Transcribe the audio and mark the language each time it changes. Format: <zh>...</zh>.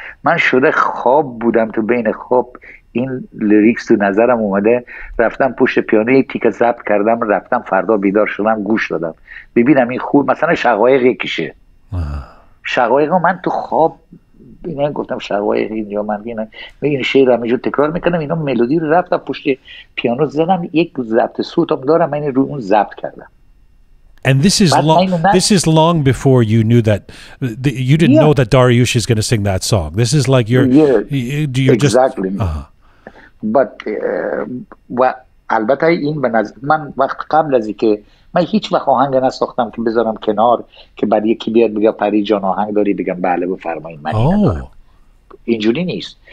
<fa>من شده خواب بودم تو بین خواب این لیریکس تو نظرم اومده، رفتم پشت پیانو یک تیکه ضبط کردم، رفتم فردا بیدار شدم گوش دادم ببینم این خوب، مثلا شقایق یکیشه. شقایق من تو خواب اینا گفتم شقایق اینجا من اینا میگن شعر همینجا تکرار میکنم اینا ملودی رو، رفتم پشت پیانو زدم یک ضبط صوتم دارم من رو اون ضبط کردم.</fa> <en>And this is long before you knew that you didn't know that Dariush is going to sing that song. This is like</en> <fa>But البته این به نظر من وقت قبل از اینکه من هیچ وقت آهنگ نساختم که بذارم کنار که بعد یکی بیاد بگه پری جان آهنگ داری بگم بله بفرمایید من اینجوری نیست.</fa>